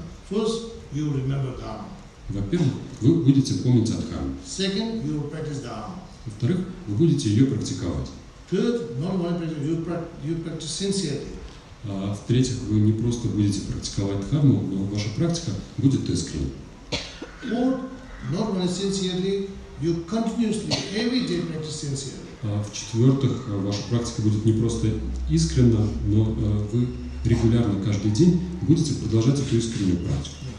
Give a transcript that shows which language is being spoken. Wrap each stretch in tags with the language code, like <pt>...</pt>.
<en>First, you remember Dharma.</en> <ru>Во-первых, вы будете помнить о Дхарме.</ru> <en>Second, you will practice Dharma.</en> <ru>Во-вторых, вы будете ее практиковать.</ru> <en>Third, not only practice, you practice sincerely.</en> <ru>В-третьих, вы не просто будете практиковать Дхарму, но ваша практика будет искренней.</ru> <en>Fourth, not only sincerely, you continuously, every day practice. sincere.</en> <ru>В-четвертых, ваша практика будет не просто искренна, но вы регулярно каждый день будете продолжать эту искреннюю практику.</ru>